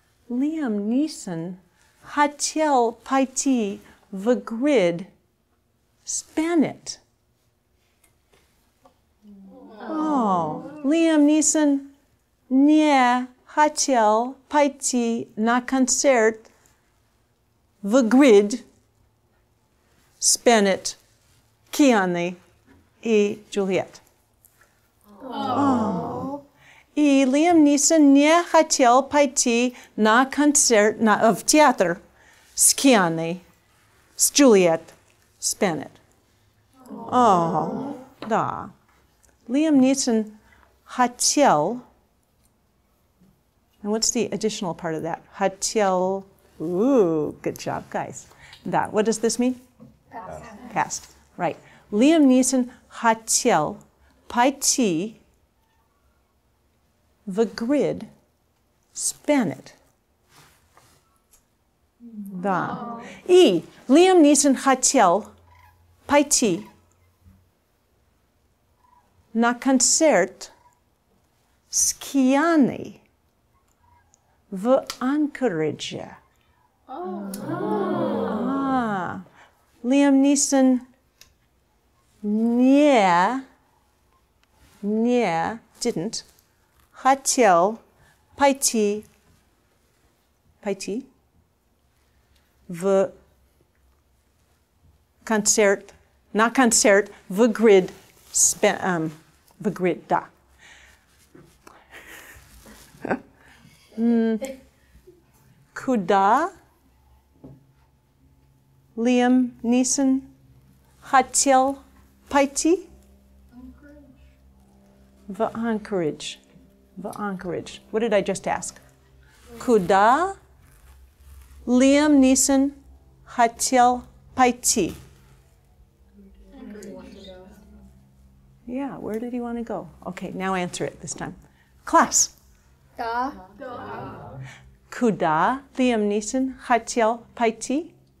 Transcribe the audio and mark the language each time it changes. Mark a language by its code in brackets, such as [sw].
[ru] Liam Neeson хотел пойти в Grid с Bennett. Liam Neeson не хотел пойти на концерт в Grid с Bennett, Кианой и Juliet. И Liam Neeson не хотел пойти на концерт в театр с Кианой, с Juliet, с Bennett. Да. [en] Liam Neeson хотел... And what's the additional part of that? Хотел... good job, guys. That. What does this mean? Past. Right. [ru] Liam Neeson хотел пойти... [en] The Grid, span it. [ru] Да. И Liam Neeson хотел пойти на концерт с Кианой в Anchorage. Liam Neeson не [en] didn't [ru] хотел пойти, в концерт, на концерт, в грид, в грид, да. Куда Лиам Нисон хотел пойти? В Анкоридж. В Анкоридж. [en] What did I just ask? [ru] Куда Лиам Нисон хотел пойти? [en] Yeah, where did he want to go? Okay, now answer it this time. Class. [ru] Да. Куда Лиам Нисон хотел пойти?